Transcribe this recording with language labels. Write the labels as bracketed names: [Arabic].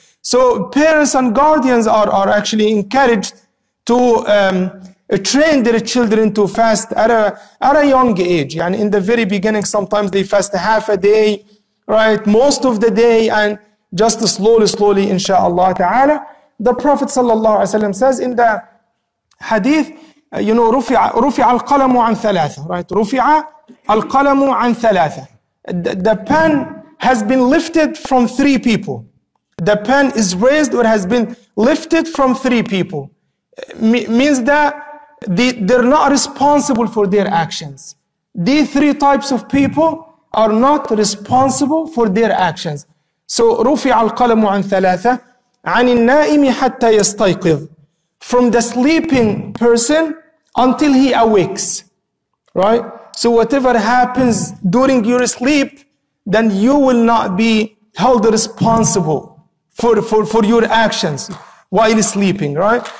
[English] So parents and guardians are actually encouraged to train their children to fast at a young age. And in the very beginning, sometimes they fast half a day, right? Most of the day, and just slowly, inshallah ta'ala. The Prophet sallallahu alaihi wasallam says in the hadith you know, [Arabic] رفع القلم عن ثلاثة, [English] right? [Arabic] رفع القلم عن ثلاثة. [English] The pen has been lifted from three people. The pen is raised or has been lifted from three people. Means that they're not responsible for their actions. These three types of people are not responsible for their actions. So [Arabic] رفع القلم عن ثلاثة عن النائم حتى يستيقظ. [English] From the sleeping person until he awakes, right? So whatever happens during your sleep, then you will not be held responsible for your actions while sleeping, right?